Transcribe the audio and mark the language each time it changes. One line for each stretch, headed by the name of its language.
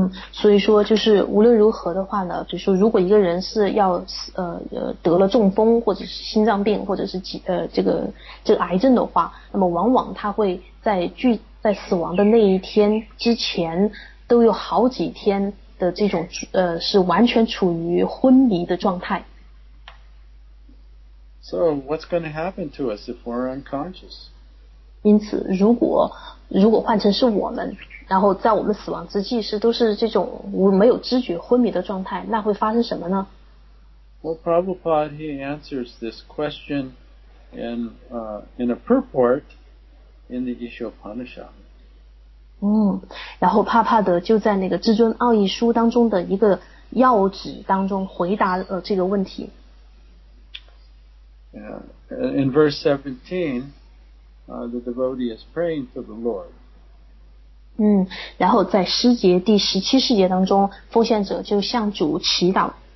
Chinese: 所以说就是无论如何的话呢，就是说如果一个人是要得了中风或者是心脏病或者是这个癌症的话，那么往往他会在死亡的那一天之前都有好几天的这种是完全处于昏迷的状态。
English: So what's going to happen to us if we're unconscious?
Chinese: 因此如果换成是我们，然后在我们死亡之际是都是这种没有知觉昏迷的状态，那会发生什么呢？
English: Well, Prabhupada, he answers this question in a purport in the Isyopanishad.
Chinese: 然后帕帕德就在那个至尊奥义书当中的一个要旨当中回答这个问题。
English: In verse 17, the devotee is praying to the Lord.
Chinese: 然后在诗节第十七世节当中，奉献者就向主祈祷。